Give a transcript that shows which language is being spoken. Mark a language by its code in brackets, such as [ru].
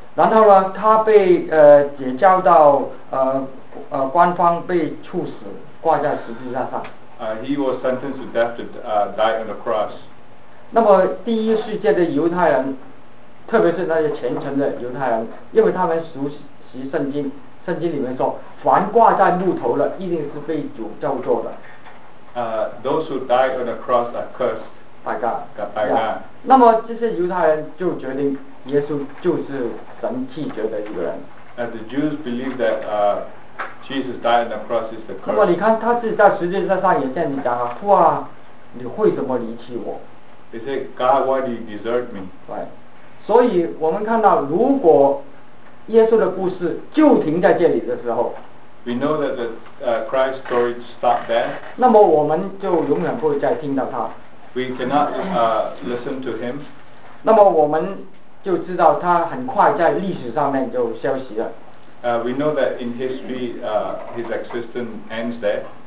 [zh] 然后呢，他被解交到官方被处死，挂在十字架上。 [en] He was sentenced to death to die on the cross. [zh] 那么第一世界的犹太人，特别是那些虔诚的犹太人，因为他们熟悉圣经，圣经里面说，凡挂在木头的，一定是被主咒诅的。 [en] Those who died on the cross are cursed. [zh] 大家，大家。那么这些犹太人就决定，耶稣就是神弃绝的一个人。 [en] The Jews believe that Jesus died on the cross is the curse. [zh] 那么你看，他是在十字架上也向你讲了，父啊，你为什么离弃我？ [en] They say, God, why do you desert me? Right. [zh] 所以我们看到，如果耶稣的故事就停在这里的时候。 [en] We know that the Christ story stopped there. [zh] 那么我们就永远不会再听到他。 [en] We cannot listen to him. [zh] 那么我们就知道他很快在历史上面就消失了。 [en] We know that in history, his existence ends there.